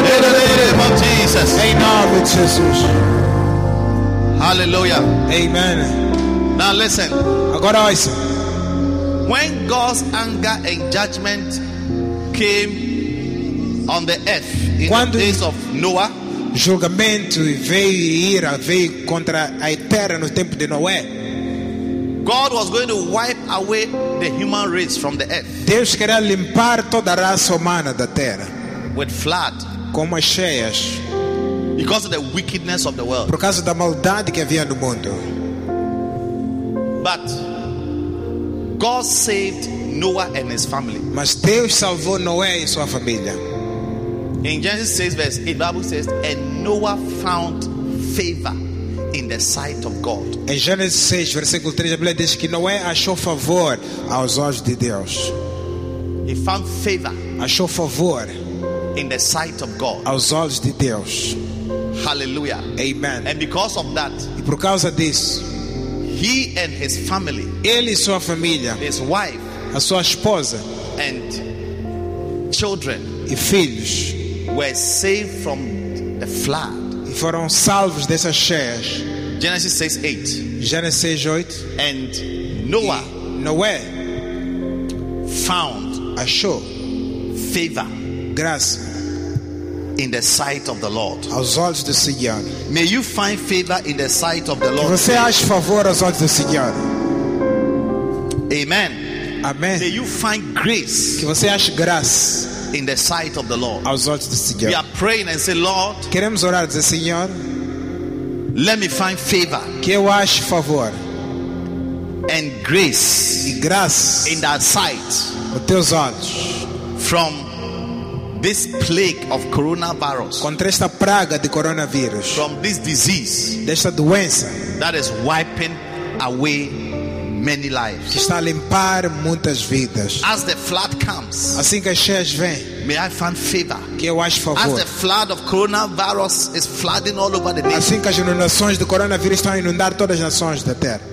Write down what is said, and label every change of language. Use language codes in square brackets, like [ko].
[pt] dele brebebe. Jesus. Em nome de Jesus. [en] Hallelujah. Amen. Now listen. [pt] Agora ouça. [en] When God's anger and judgment came on the earth in [pt] quando [en] the days of Noah, [pt] julgamento veio contra a terra no tempo de Noé. [en] God was going to wipe away the human race from the earth. [pt] Deus queria limpar toda a raça humana da terra. [en] With flood. [pt] Com as cheias. [en] Because of the wickedness of the world. [pt] Por causa da maldade que havia no mundo. [en] But God saved Noah and his family. [pt] Mas Deus salvou Noé e sua família. [en] In Genesis 6 verse 8, the Bible says, and Noah found favor in the sight of God. [pt] Em Gênesis 6 versículo 3, a Bíblia diz que Noé achou favor aos olhos de Deus. [en] He found favor. [pt] Achou favor. [en] In the sight of God. [pt] Aos olhos de Deus. [en] Hallelujah. [pt] Amen. [en] And because of that, [pt] e por causa disso, [en] he and his family, [pt] ele e sua família, [en] his wife, [pt] a sua esposa, [en] and children, [pt] e filhos, [en] were saved from the flood. [pt] E foram salvos dessas cheias. [en] Genesis 6, 8. [pt] Genesis 6, 8. [en] And Noah, [pt] e Noé, [en] found, [pt] achou, [en] favor, [pt] graça. [en] In the sight of the Lord. [pt] Aos olhos do Senhor. [en] May you find favor in the sight of the Lord. [pt] Que você ache favor aos olhos do Senhor. [en] Amen. [pt] Amen. [en] May you find grace. [pt] Que você ache graça. [en] In the sight of the Lord. [pt] Aos olhos do Senhor. [en] We are praying and say, Lord. [pt] Queremos orar dizer, Senhor. [en] Let me find favor. [pt] Que eu ache favor. [en] And grace. [pt] E graça. [en] In that sight. [pt] Nos teus olhos. [en] From this plague of coronavirus, [pt] contra esta praga de coronavírus, [en] from this disease, [pt] desta doença, [en] that is wiping away many lives, [pt] que está a limpar muitas vidas. [en] As the flood comes, [pt] assim que as cheias vêm, [en] may I find favor, [pt] que eu ache favor. [en] As the flood of coronavirus is flooding all over the nation, [pt] assim que as inundações do coronavírus estão a inundar todas as nações da terra,